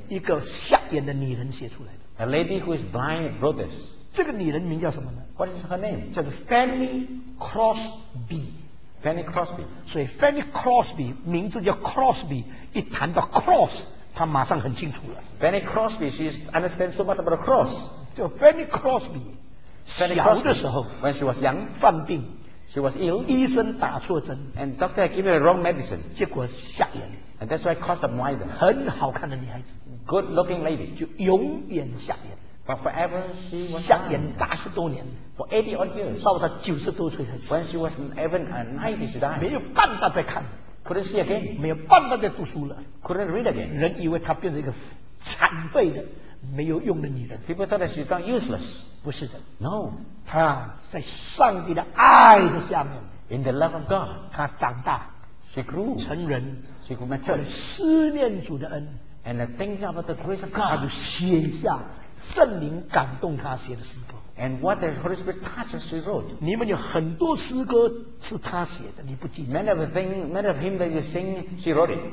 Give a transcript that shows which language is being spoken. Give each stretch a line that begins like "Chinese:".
Chinese: 一个瞎眼的女人写出来的
English: ，A lady who is blind wrote this。
Chinese: 这个女人名叫什么呢
English: ？What is her name？
Chinese: 叫做 Fanny Crosby。
English: Fanny Crosby。
Chinese: 所以 Fanny Crosby 名字叫 Crosby， 一谈到 cross， 她马上很清楚了。
English: Fanny Crosby， she understands so much about the cross。
Chinese: 叫 Fanny Crosby。小的时候
English: ，when she was young，
Chinese: 犯病
English: ，she was ill，
Chinese: 医生打错针
English: ，and doctor had given her wrong medicine，
Chinese: 结果瞎眼
English: ，and that's why caused the blindness。
Chinese: 很好看的女孩子
English: ，good looking lady，
Chinese: 就永远瞎眼
English: ，but forever she was
Chinese: 瞎眼八十多年
English: ，for 80 odd years，
Chinese: 到她九十多岁才
English: ，when she was even a 90 she died，
Chinese: 没有办法再看
English: ，couldn't see again，
Chinese: 没有办法再读书了
English: ，couldn't read again，
Chinese: 人以为她变成一个残废的。没有用的女人
English: ，People thought that she was useless。
Chinese: 不是的
English: ，No，
Chinese: 她在上帝的爱的下面
English: ，In the love of God，
Chinese: 她长大
English: ，She grew，
Chinese: 成人
English: ，She grew mature，
Chinese: 思念主的恩
English: ，And thinking about the grace of God，
Chinese: 她就写下圣灵感动她写的诗歌
English: ，And what the Holy Spirit touched she wrote。
Chinese: 你们有很多诗歌是她写的，你不记得
English: ？Many of the things, many of him that you sing, she wrote it。